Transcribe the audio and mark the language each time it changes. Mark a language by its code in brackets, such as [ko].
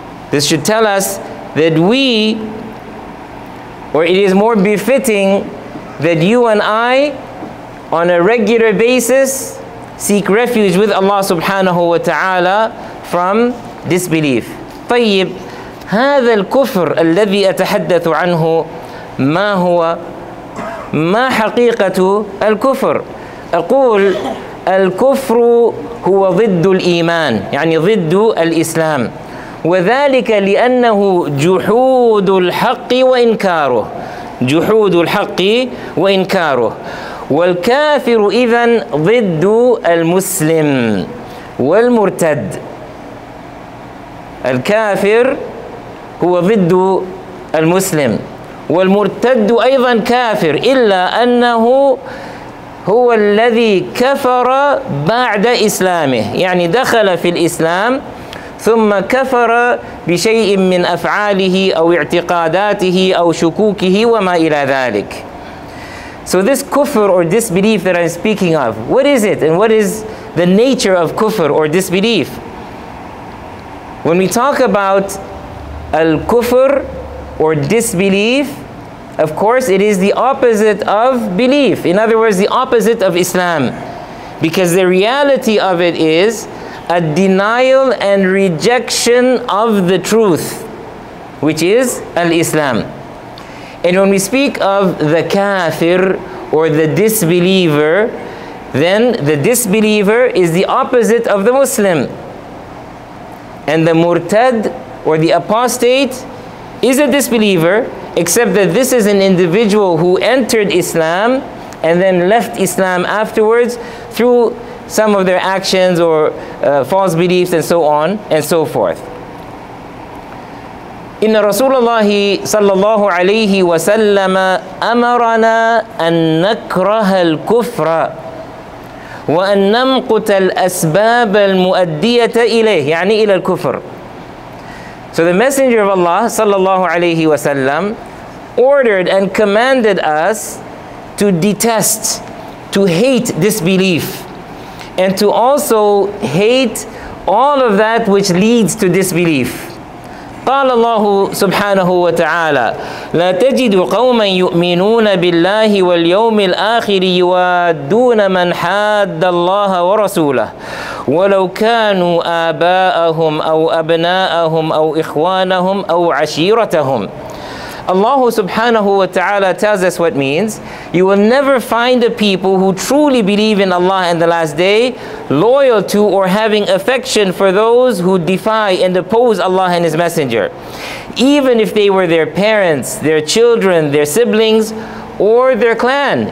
[en] This should tell us that we, or it is more befitting that you and I on a regular basis seek refuge with Allah subhanahu wa ta'ala from disbelief. [ar] طيب هذا الكفر الذي أتحدث عنه ما هو ما حقيقة الكفر؟ أقول الكفر هو ضد الإيمان يعني ضد الإسلام وذلك لأنه جحود الحق وإنكاره جحود الحق وإنكاره والكافر إذن ضد المسلم والمرتد الكافر هو ضد المسلم والمرتد أيضا كافر إلا أنه هو الذي كفر بعد إسلامه يعني دخل في الإسلام ثم كفر بشيء من أفعاله أو اعتقاداته أو شكوكه وما إلى ذلك. [en] So this kufr or disbelief that I'm speaking of, what is it and what is the nature of kufr or disbelief? When we talk about al-kufr or disbelief, of course it is the opposite of belief. In other words, the opposite of Islam. Because the reality of it is a denial and rejection of the truth, which is al-Islam. And when we speak of the kafir or the disbeliever, then the disbeliever is the opposite of the Muslim. And the murtad or the apostate is a disbeliever, except that this is an individual who entered Islam and then left Islam afterwards through some of their actions or false beliefs and so on and so forth. [ar] إن رسول الله صلى الله عليه وسلم أمرنا أن نكره الكفر وأن نمقت الأسباب المؤدية إليه يعني إلى الكفر. [en] So the Messenger of Allah صلى الله عليه وسلم ordered and commanded us to detest, to hate disbelief, and to also hate all of that which leads to disbelief. [ar] قال الله سبحانه وتعالى لا تجد قوما يؤمنون بالله واليوم الآخر يوادون من حاد الله ورسوله ولو كانوا آباءهم أو أبناءهم أو إخوانهم أو عشيرتهم. [en] Allah subhanahu wa ta'ala tells us what means. You will never find a people who truly believe in Allah and the last day loyal to or having affection for those who defy and oppose Allah and His Messenger, even if they were their parents, their children, their siblings, or their clan.